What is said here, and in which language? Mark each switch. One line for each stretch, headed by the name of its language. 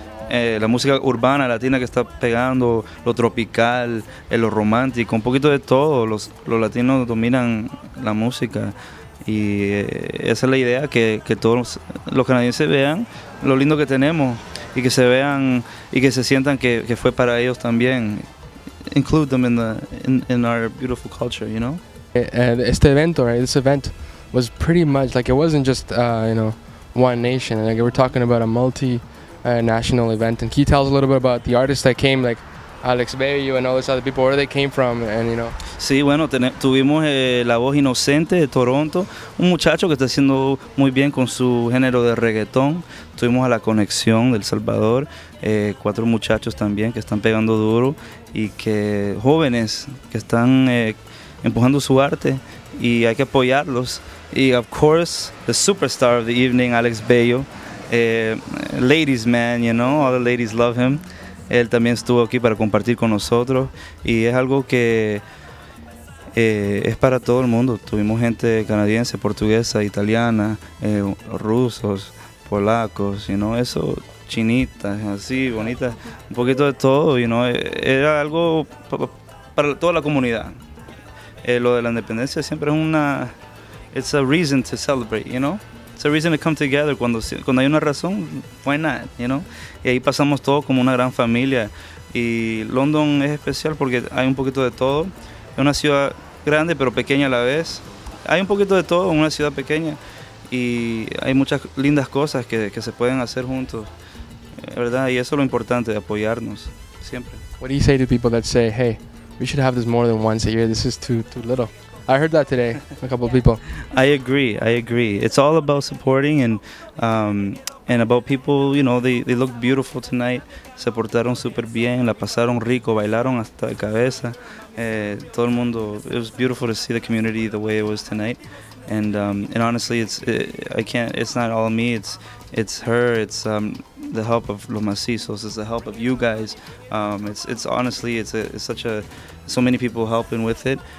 Spanish: La música urbana latina que está pegando, lo tropical, lo romántico, un poquito de todo. Los latinos dominan la música y esa es la idea, que todos los canadienses vean lo lindo que tenemos y que se vean y que se sientan que fue para ellos también.
English: Include them in our beautiful culture, you know?
Spanish: Este evento,
English: right? This event was pretty much like, it wasn't just you know, one nation. Like, we're talking about a multi national event. And can you tell us a little bit about the artists that came, like Alex Bayou and all these other people, where they came from, and you know?
Spanish: Sí, bueno, tuvimos La Voz Inocente de Toronto, un muchacho que está haciendo muy bien con su género de reggaetón. Tuvimos a La Conexión del Salvador, cuatro muchachos también que están pegando duro y que jóvenes que están empujando su arte y hay que apoyarlos.
English: Y of course, the superstar of the evening, Alex Bayou. Ladies man, you know, all the ladies love him.
Spanish: Él también estuvo aquí para compartir con nosotros y es algo que es para todo el mundo. Tuvimos gente canadiense, portuguesa, italiana, rusos, polacos,
English: you know,
Spanish: eso, chinitas, así, bonitas, un poquito de todo, you know. Era algo para toda la comunidad. Lo de la independencia siempre es una,
English: it's a reason to celebrate, you know. It's a reason to come together.
Spanish: Cuando hay una razón,
English: why not, you know?
Spanish: Y ahí pasamos todo como una gran familia. Y London es especial porque hay un poquito de todo. Es una ciudad grande, pero pequeña a la vez. Hay un poquito de todo en una ciudad pequeña. Y hay muchas lindas cosas que se pueden hacer juntos, ¿verdad? Y eso es lo importante, de apoyarnos, siempre.
English: What do you say to people that say, hey, we should have this more than once a year, this is too little? I heard that today, a couple of people. I agree. It's all about supporting and about people, you know, they look beautiful tonight.
Spanish: Se portaron super bien, la pasaron rico, bailaron hasta la cabeza. Todo el mundo,
English: it was beautiful to see the community the way it was tonight. And honestly, it's not all me, it's her, it's the help of Los Macizos, it's the help of you guys. It's honestly so many people helping with it.